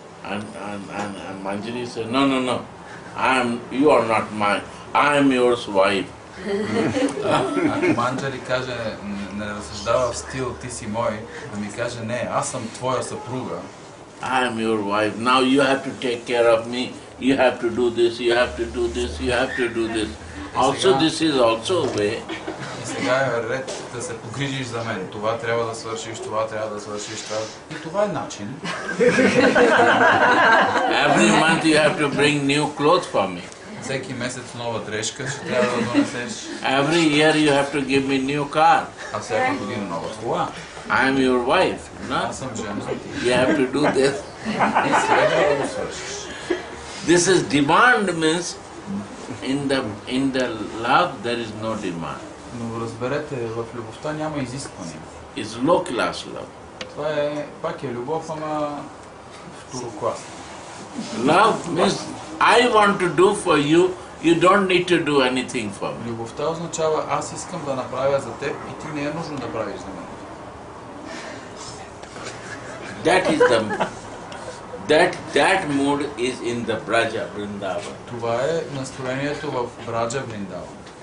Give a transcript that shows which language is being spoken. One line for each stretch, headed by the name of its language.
English: And Manjari said, no, you are not mine, I am your wife.
Bulgarian: Manjari каже, не разсъждава в стил, ти си мой, а ми каже, не, аз съм твоя съпруга.
English: I am your wife, now you have to take care of me, you have to do this, you have to do this, you have to do this. Also, this is also a way.
Bulgarian: Сега е ред да се погрижиш за мен. Това трябва да свършиш, това трябва да свършиш. Това. И това е начин.
English: Every month you have to bring new clothes for me.
Bulgarian: Всеки месец нова дрешка ще трябва да донесеш.
English: Every year you have to give me new car.
Bulgarian: А всяка година нова кола.
English: I am your wife, no?
Bulgarian: Аз съм жена.
English: You have to do this.
Bulgarian: И сега да го свършиш.
English: This is demand means in the love there is no demand.
Bulgarian: Но разберете, в любовта няма изискване.
English: It's low class love.
Bulgarian: Това е, пак е любов, ама второкласна.
English: Love means I want to do for you, you don't need to do anything for me.
Bulgarian: Любовта означава аз искам да направя за теб и ти не е нужно да правиш за мен.
English: That mood is in the Braja Vrindavan.
Bulgarian: Това е настроението в Braja Vrindavan.